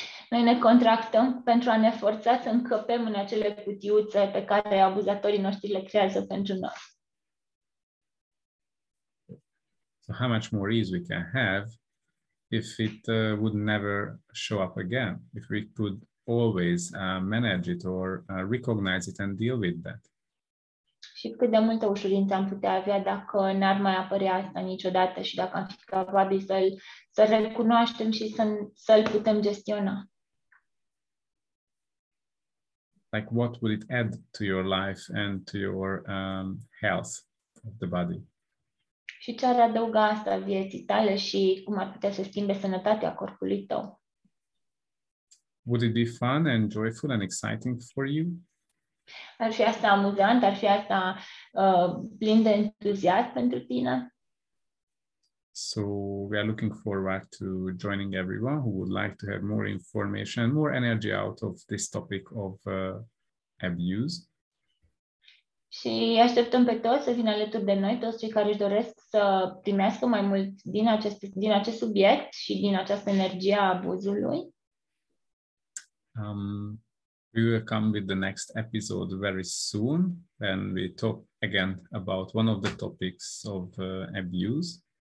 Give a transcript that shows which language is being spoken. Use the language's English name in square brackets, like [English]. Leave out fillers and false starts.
[Romanian] Noi ne contractăm pentru a ne forța să încăpem în acele cutiuțe pe care abuzatorii noștri le creează pentru noi. [English] So how much more ease we can have if it would never show up again, if we could always manage it or recognize it and deal with that. [Romanian] Și cât de multă ușurință am putea avea dacă n-ar mai apărea asta niciodată și dacă am fi capabil să-l recunoaștem și să-l putem gestiona. [English] Like what would it add to your life and to your health of the body? [Romanian] Și ce ar adăuga asta vieții tale și cum ar putea să schimbe sănătatea corpului tău? [English] Would it be fun and joyful and exciting for you? [Romanian] Ar fi asta amuzant? Ar fi asta plin de entuziasm pentru tine? [English] So we are looking forward to joining everyone who would like to have more information, more energy out of this topic of abuse. [Romanian] Și așteptăm pe toți să vină alături de noi, toți cei care își doresc să primească mai mult din acest subiect și din această energie a abuzului. [English] We will come with the next episode very soon when we talk again about one of the topics of abuse.